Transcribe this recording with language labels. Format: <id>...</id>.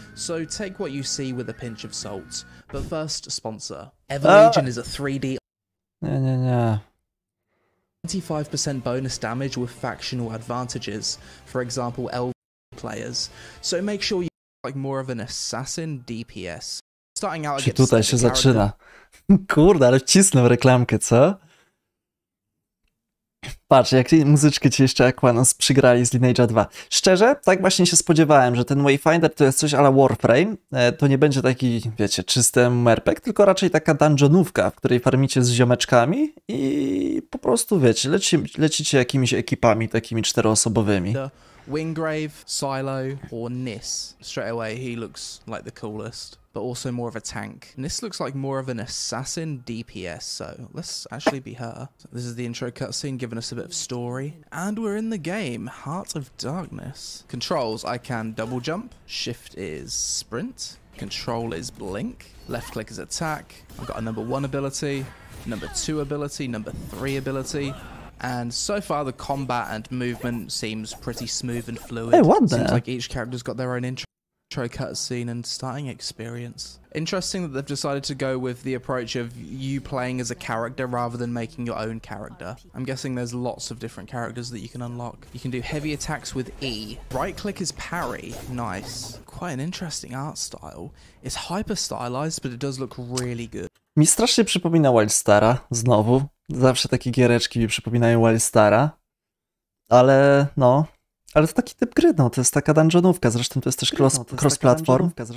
<en>So take what you see with a pinch of salt. But first, sponsor. Everlegion is a 3D... Yeah. 25% bonus damage with factional advantages, for example, elf players. So make sure you like more of an assassin DPS. Starting out,</en> <pl>czy tutaj się zaczyna? Kurde, ale wcisnę reklamkę, co? Patrz, jak muzyczki ci jeszcze Aquanos przygrali z Lineage 2. Szczerze, tak właśnie się spodziewałem, że ten Wayfinder to jest coś a la Warframe. To nie będzie taki, wiecie, czysty MMORPG, tylko raczej taka dungeonówka, w której farmicie z ziomeczkami i po prostu, wiecie, lecicie jakimiś ekipami takimi czteroosobowymi.</pl> <en>Wingrave, Silo, or Nis. Straight away he looks like the coolest, but also more of a tank. Nis looks like more of an assassin DPS, so let's actually be her. So this is the intro cutscene giving us a bit of story. And we're in the game, Heart of Darkness. Controls, I can double jump, shift is sprint, control is blink, left click is attack. I've got a number one ability, number two ability, number three ability. And so far the combat and movement seems pretty smooth and fluid. Hey, what the? Seems like each character's got their own intro cutscene and starting experience. Interesting that they've decided to go with the approach of you playing as a character rather than making your own character. I'm guessing there's lots of different characters that you can unlock. You can do heavy attacks with E. Right click is parry. Nice. Quite an interesting art style. It's hyper stylized, but it does look really good.</en> <pl>Mi strasznie przypomina Wildstara znowu. Zawsze takie giereczki mi przypominają Wildstara, ale no, ale to taki typ gry, no, to jest taka dungeonówka, zresztą to jest też cross-platform.</pl>